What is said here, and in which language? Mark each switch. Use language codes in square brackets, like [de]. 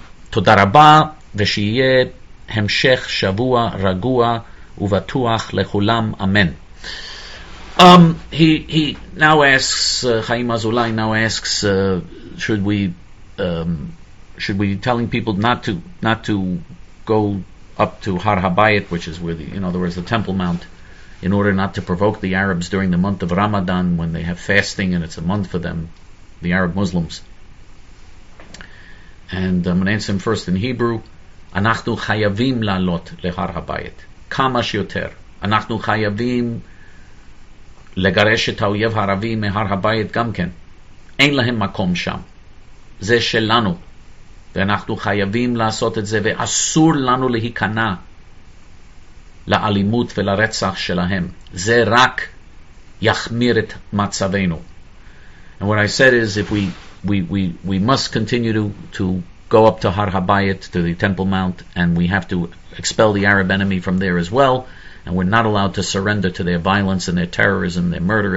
[he] תודה רבה, ושיהיה המשך שבוע רגוע ובטוח לכולם, אמן. [en] He now asks, Chaim Azulai now asks, should we be telling people not to go up to Har Habayit, which is where in other words the Temple Mount, in order not to provoke the Arabs during the month of Ramadan when they have fasting and it's a month for them, the Arab Muslims. And I'm going to answer him first in Hebrew. [he] Anachnu chayavim lalot lehar habayit. Kama shiyoter. Anachnu chayavim לגרש את האויב הערבי מהר הבית גם כן. אין להם מקום שם. זה שלנו. ואנחנו חייבים לעשות את זה, ואסור לנו להיכנע לאלימות ולרצח שלהם. זה רק יחמיר את מצבנו. [en] And what I said is, if we must continue to go up to Har Habayit, to the Temple Mount, and we have to expel the Arab enemy from there as well, and we're not allowed to surrender to their violence and their terrorism, their murder.